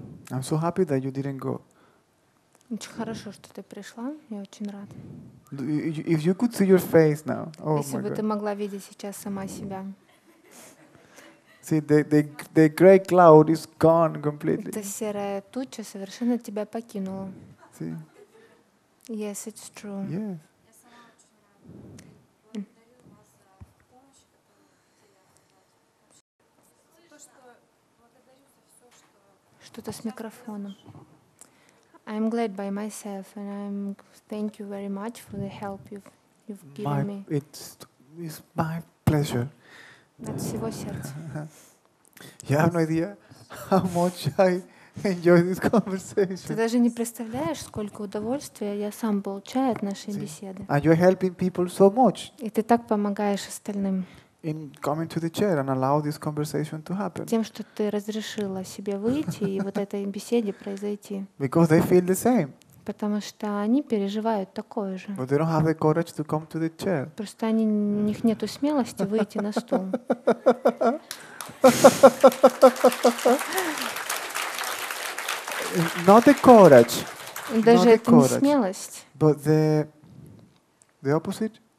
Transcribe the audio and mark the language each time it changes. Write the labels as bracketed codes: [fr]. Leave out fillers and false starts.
[en] I'm so happy that you didn't go. [ru] Очень хорошо, что ты пришла. Я очень рад. [en] If you could see your face now, oh [ru] если бы ты могла видеть сейчас сама себя. [en] See, the gray cloud is gone completely. [ru] Эта серая туча совершенно тебя покинула. [en] See? Yes, it's true. Yes. [ru] Что-то с микрофоном. [en] I'm glad by myself, and I'm thank you very much for the help you've given me. It's my pleasure. [ru] От всего сердца. [en] You have no idea how much I enjoy this conversation. [ru] Ты даже не представляешь, сколько удовольствия я сам получаю от нашей беседы. [en] And you're helping people so much. [ru] И ты так помогаешь остальным. [en] In coming to the chair and allow this conversation to happen. [ru] Тем, что ты разрешила себе выйти и вот этой беседе произойти. [en] Because they feel the same. [ru] Потому что они переживают такое же. [en] But they don't have the courage to come to the chair. [ru] Просто у них нету смелости выйти на стул. [en] Not the courage. [ru] Даже [en] not [ru] это [en] courage, [ru] не смелость. [en] But the opposite.